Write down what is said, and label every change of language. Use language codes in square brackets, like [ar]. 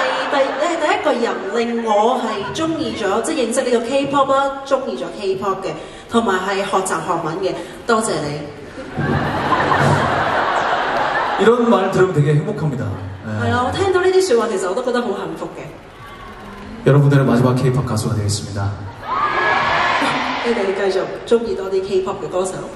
[yue] 你係第一個人令我係中意咗，即係認識呢個 K-pop 啦，中意咗 K-pop 嘅。同埋係學習韓文嘅，多謝你。 [ko] 이런 말 들으면 되게 행복합니다. [yue] 係啊，我聽到呢啲説話，其實我都覺得好幸福嘅。 [ko] 여러분들의 마지막 K-pop 가수가 되겠습니다. [yue] 你哋繼續中意多啲 K-pop 嘅歌手。